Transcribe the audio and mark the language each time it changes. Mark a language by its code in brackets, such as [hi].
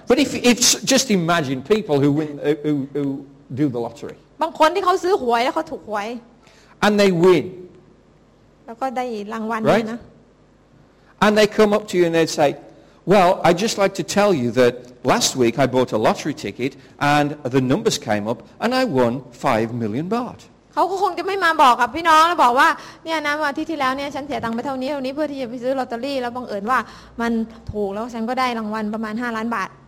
[en] But if just imagine people who win, who do the lottery. [th] บางคนที่เขาซื้อหวยแล้วเขาถูกหวย [en] And they win. [th] แล้วก็ได้รางวัลน [en] ะ Right. And they come up to you and they say, "Well, I'd just like to tell you that last week I bought a lottery ticket and the numbers came up and I won 5 million baht." [th] เขาก็คงจะไม่มาบอกกับพี่น้องแล้วบอกว่าเนี่ยนะวันที่แล้วเนี่ยฉันเสียตังค์ไปเท่านี้เท่านี้เพื่อที่จะไปซื้อลอตเตอรี่แล้วบังเอิญว่ามันถูกแล้วฉันก็ได้รางวัลประมาณ5 ล้านบาท